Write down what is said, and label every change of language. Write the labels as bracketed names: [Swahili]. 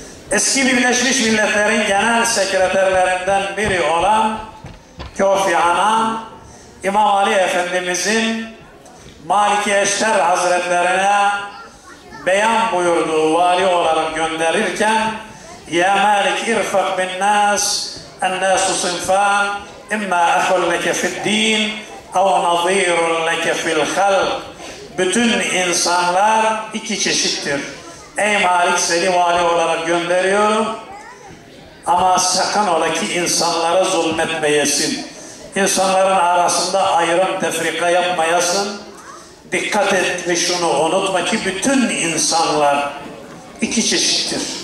[Turkish] Eski Birleşmiş Milletler'in genel sekreterlerinden biri olan Kofi Annan, İmam Ali Efendimiz'in Maliki Eşter Hazretlerine beyan buyurduğu vali olarak gönderirken [Arabic] يا مالك ارفق بالناس، الناس صنفان، إما أخ لك في الدين أو نظير لك في الخلق. [Turkish] Bütün insanlar iki çeşittir. Ey Malik, seni vali olarak gönderiyorum. Ama sakın ola ki insanlara zulmetmeyesin. İnsanların arasında ayrım tefrika yapmayasın. Dikkat et ve şunu unutma ki bütün insanlar iki çeşittir.